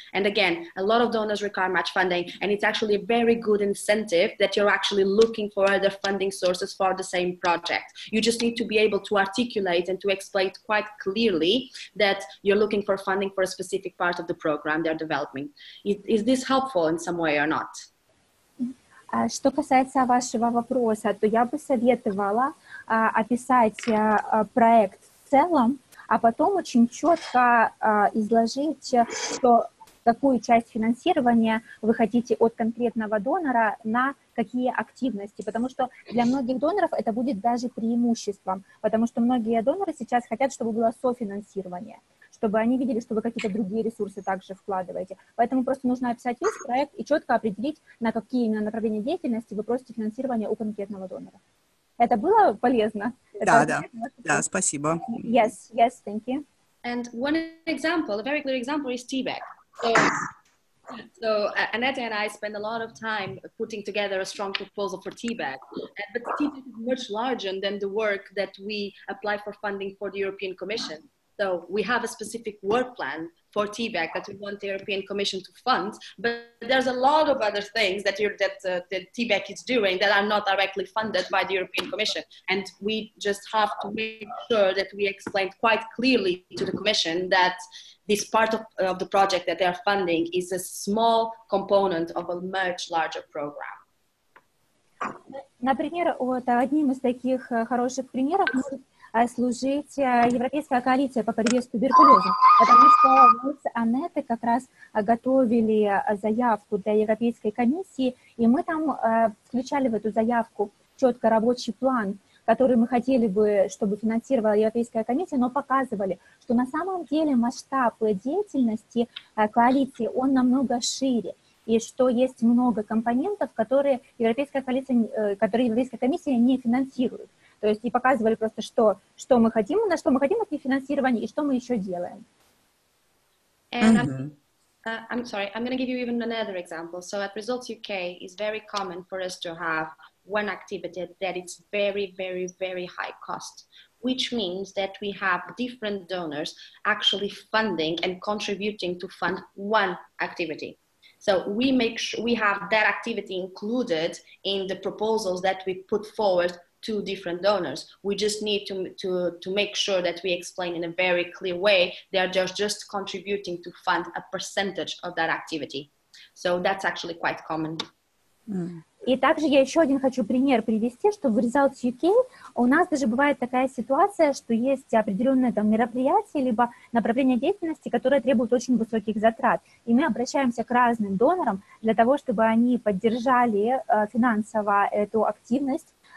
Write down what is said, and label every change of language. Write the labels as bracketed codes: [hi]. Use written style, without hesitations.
[en] And again, a lot of donors require much funding, and it's actually a very good incentive that you're actually looking for other funding sources for the same project. You just need to be able to articulate and to explain quite clearly that you're looking for funding for a specific part of the program they're developing. Is this helpful in some way or not? [ru] Что касается вашего вопроса, то я бы советовала описать проект в целом, а потом очень четко изложить, что, какую часть финансирования вы хотите от конкретного донора на какие активности, потому что для многих доноров это будет даже преимуществом, потому что многие доноры сейчас хотят, чтобы было софинансирование, чтобы они видели, что вы какие-то другие ресурсы также вкладываете. Поэтому просто нужно описать весь проект и четко определить, на какие именно направления деятельности вы просите финансирование у конкретного донора. Это было полезно? Да, спасибо. [en] Yes, thank you. And one example, a very clear example, is TBEC. So Annette and I spend a lot of time putting together a strong proposal for TBEC. But TBEC is much larger than the work that we apply for funding for the European Commission. So we have a specific work plan for TBEC that we want the European Commission to fund, but there's a lot of other things that that TBEC is doing that are not directly funded by the European Commission. And we just have to make sure that we explain quite clearly to the Commission that this part of the project that they are funding is a small component of a much larger program. [ru] Например, вот одним из таких хороших примеров служить Европейская коалиция по борьбе с туберкулезом. Потому что мы с Анеттой как раз готовили заявку для Европейской комиссии, и мы там включали в эту заявку четко рабочий план, который мы хотели бы, чтобы финансировала Европейская комиссия, но показывали, что на самом деле масштаб деятельности коалиции, он намного шире, и что есть много компонентов, которые Европейская комиссия не финансирует. То есть и показывали просто, что мы хотим, на что мы хотим от финансирования и что мы еще делаем. [en] And I'm sorry, I'm going to give you even another example. So at Results UK, it's very common for us to have one activity that it's very, very, very high cost, which means that we have different donors actually funding and contributing to fund one activity. So we make sure we have that activity included in the proposals that we put forward to different donors. We just need to make sure that we explain in a very clear way they are just contributing to fund a percentage of that activity. So that's actually quite common. [ru] И также я еще один хочу пример привести, что в Results UK у нас даже бывает такая ситуация, что есть определенные там мероприятия либо направления деятельности, которые требуют очень высоких затрат. И мы обращаемся к разным донорам для того, чтобы они поддержали финансово эту активность.